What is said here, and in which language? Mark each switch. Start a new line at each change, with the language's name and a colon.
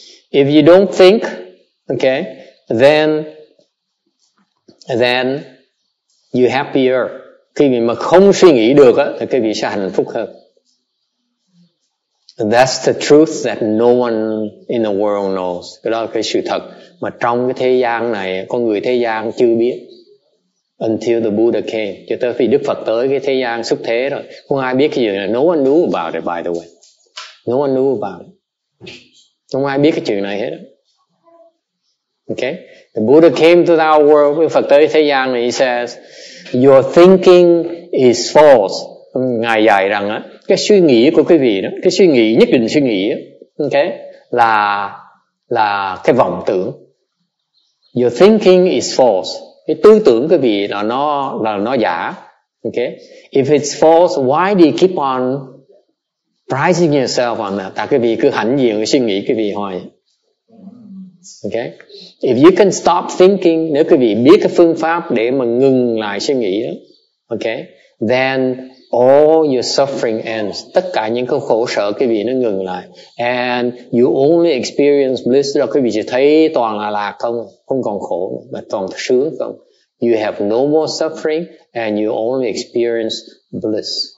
English: If you don't think, okay, then you're happier.
Vietnamese: Khi mình mà không suy nghĩ được á, thì cái vị sẽ hạnh phúc hơn.
English: That's the truth that no one in the world knows.
Vietnamese: Cái đó là cái sự thật mà trong cái thế gian này, con người thế gian chưa biết.
English: Until the Buddha came.
Vietnamese: Cho tới khi Đức Phật tới cái thế gian xuất thế rồi. Không ai biết cái chuyện này.
English: No one knew about it, by the way. No one knew about it.
Vietnamese: Không ai biết cái chuyện này hết. Okay?
English: The Buddha came to our world.
Vietnamese: Đức Phật tới thế gian này,
English: he says, your thinking is false.
Vietnamese: Ngài dạy rằng, cái suy nghĩ của quý vị đó, cái suy nghĩ, nhất định suy nghĩ, okay, là cái vọng tưởng.
English: Your thinking is false.
Vietnamese: Cái tư tưởng quý vị là nó giả.
English: Okay? If it's false, why do you keep on pricing yourself on that?
Vietnamese: Tại quý vị cứ hãnh diện suy nghĩ quý vị hoài. Okay?
English: If you can stop thinking,
Vietnamese: nếu quý vị biết cái phương pháp để mà ngừng lại suy nghĩ đó, okay, then
English: all your suffering ends.
Vietnamese: Tất cả những cái khổ sở quý vị nó ngừng lại.
English: And you only experience bliss.
Vietnamese: Là quý vị chỉ thấy toàn là lạc không, không còn khổ, mà toàn là sướng không.
English: You have no more suffering and you only experience bliss.